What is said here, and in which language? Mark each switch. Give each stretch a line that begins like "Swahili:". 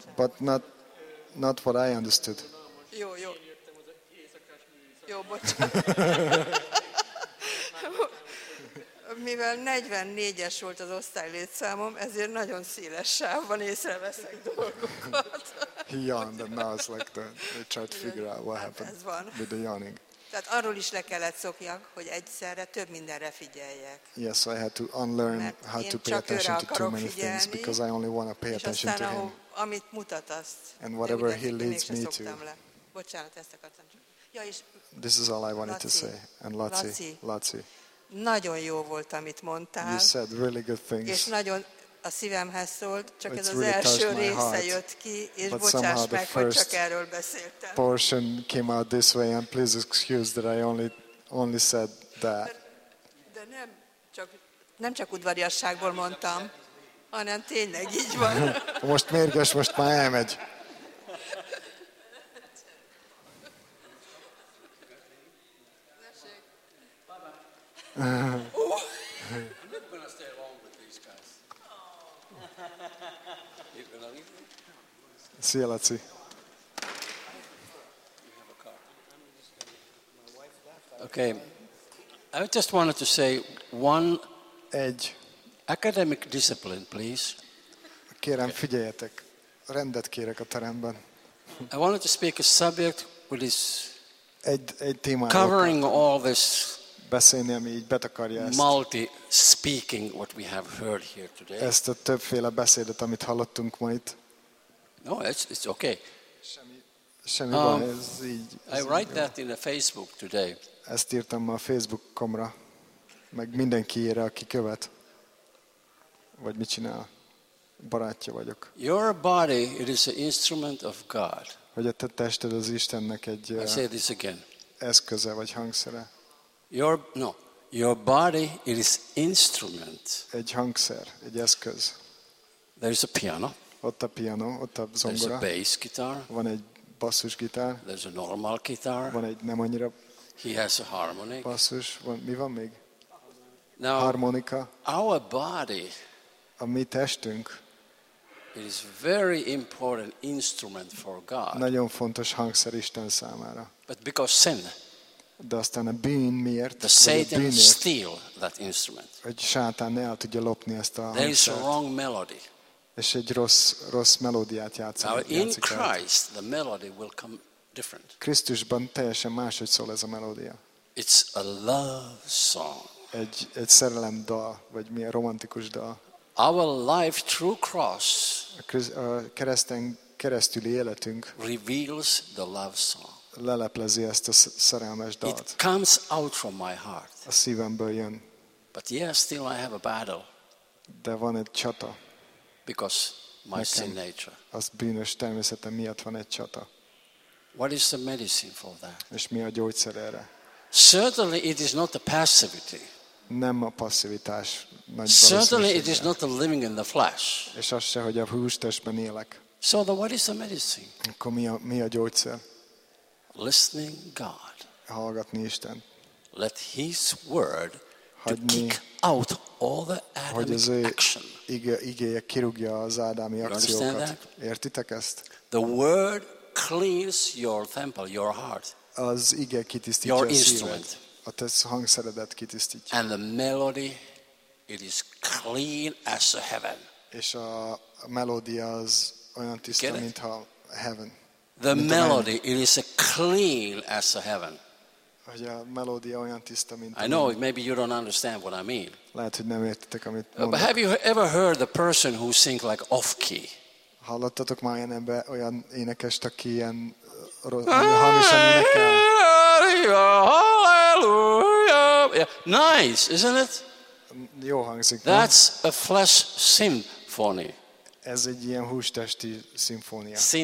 English: But not what I understood.
Hungarian: Jó, jó. Én értem az éjszaka Jó, bocsánat. Mivel 44-es volt az osztály létszámom, ezért nagyon széles sávban észreveszek dolgokat.
English: He yawned and now it's like the, they tried to figure out what happened with the yawning.
Hungarian: Tehát arról is le kellett szokjak, hogy egyszerre több mindenre figyeljek.
English: Yes, so I had to unlearn how to pay attention to too many things because I only want to pay attention to him.
Hungarian: Amit mutat azt.
English: And whatever he leads me to.
Hungarian: Bocsánat, ezt akartam csak. Ja, és
English: this is all I wanted to say. And Laci.
Hungarian: Nagyon jó volt, amit mondtál.
English: You said really good things.
Hungarian: És nagyon a szívemhez szólt, csak ez az első része jött ki, és bocsáss meg, hogy csak erről beszéltem.
English: Portion came out this way, and please excuse that I only said that.
Hungarian: De nem csak udvariasságból mondtam, hanem tényleg így van. Most mérges, most már elmegy.
English: I'm not going to stay long with these guys. You know me? See you, Laci. You have a car. My wife left. Okay. I just wanted to say one edge. Academic discipline, please.
Hungarian: Kérem, figyeljetek. Rendet kérek a teremben.
English: I wanted to speak a subject with this
Hungarian: egy téma.
English: Covering all this
Hungarian: beszélni, ami így betakarja ezt.
English: Multi-speaking what we have heard here today.
Hungarian: Ezt a többféle beszédet, amit hallottunk ma itt.
English: No, it's okay.
Hungarian: Semmi baj, ez így.
English: I write that in a Facebook today.
Hungarian: Ezt írtam ma a Facebookomra, meg mindenkiére, aki követ. Vagy mit csinál? Barátja vagyok.
English: Your body, it is an instrument of God.
Hungarian: Hogy a te tested az Istennek egy eszköze vagy hangszere.
English: Your body it is instrument.
Hungarian: Egy hangszer, egy eszköz.
English: There is a piano.
Hungarian: Ott a piano, ott a zongora.
English: There is a bass guitar.
Hungarian: Van egy basszus gitár.
English: There is a normal guitar.
Hungarian: Van egy nem annyira.
English: He has a harmonic.
Hungarian: Basszus, mi van még?
English: Now,
Hungarian: harmonika.
English: Our body.
Hungarian: A mi testünk.
English: It is very important instrument for God.
Hungarian: Nagyon fontos hangszer Isten számára.
English: But because sin.
Hungarian: De aztán a bűn miért?
English: The Satan
Hungarian: bűnért,
English: steal that instrument.
Hungarian: Hogy Sátán el tudja lopni ezt a hangszert.
English: There is a wrong melody.
Hungarian: És egy rossz melódiát játszik.
English: Now in Christ the melody will come different.
Hungarian: Krisztusban teljesen máshogy szól ez a melódia.
English: It's a love song.
Hungarian: Egy szerelem dal, vagy milyen romantikus dal.
English: Our life through cross.
Hungarian: A kereszten keresztüli életünk
English: reveals the love song.
Hungarian: Leleplezi ezt a szerelmes dalt.
English: It comes out from my heart.
Hungarian: A szívemből jön.
English: But yes, still I have a battle.
Hungarian: De van egy csata.
English: Because my sin nature.
Hungarian: Az bűnös természetem miatt van egy csata.
English: What is the medicine for that?
Hungarian: És mi a gyógyszer erre?
English: Certainly it is not the passivity.
Hungarian: Nem a passzivitás.
English: Certainly it is not the living in the flesh.
Hungarian: És az se, hogy a hústestben élek.
English: So the what is the medicine?
Hungarian: Akkor mi a gyógyszer?
English: Listening God.
Hungarian: Hallgatni Isten.
English: Let His word kick out all the Adamic action.
Hungarian: Igéje kirúgja az ádámi akciókat. Értitek ezt?
English: The word cleans your temple, your heart.
Hungarian: Az ige kitisztítja a szíved. A te hangszeredet kitisztítja.
English: And the melody, it is clean as a heaven.
Hungarian: És a melódia az olyan tiszta, mint a
English: heaven. The melody, it is a clean as a heaven.
Hungarian: Hogy a melódia olyan tiszta, mint
English: I know, maybe you don't understand what I mean.
Hungarian: Lehet, hogy nem értitek, amit mondok.
English: But have you ever heard the person who sings like off-key?
Hungarian: Hallottatok már olyan énekest, aki ilyen hamisan énekel? Hallelujah! Yeah.
English: Nice, isn't it?
Hungarian: Jó hangzik.
English: That's a flesh symphony.
Hungarian: Ez egy ilyen hústesti szimfónia.